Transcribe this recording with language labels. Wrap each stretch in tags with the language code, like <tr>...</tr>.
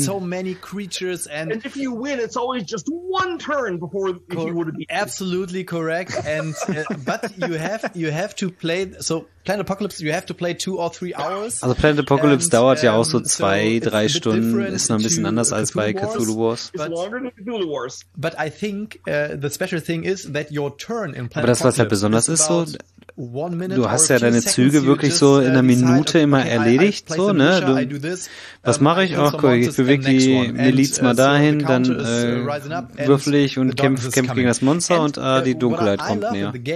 <en>So many creatures and if you win, it's always just one turn before if you would be absolutely correct. And but you have to play so. Planet Apocalypse, you have to play 2 or 3 hours.</en> <de>Also Planet Apocalypse dauert ja auch so 2-3 Stunden, ist noch ein bisschen anders als bei Cthulhu Wars.</de> <en>But I think the special thing is that your turn in Planet Apocalypse.</en> <de>Aber das, was halt besonders ist, so du hast ja deine Züge wirklich so in einer Minute immer erledigt, so, ne? Du, was mache ich? Ach, guck, ich bewege die Miliz mal dahin, dann würfel ich und kämpf gegen das Monster und die Dunkelheit kommt näher.</de>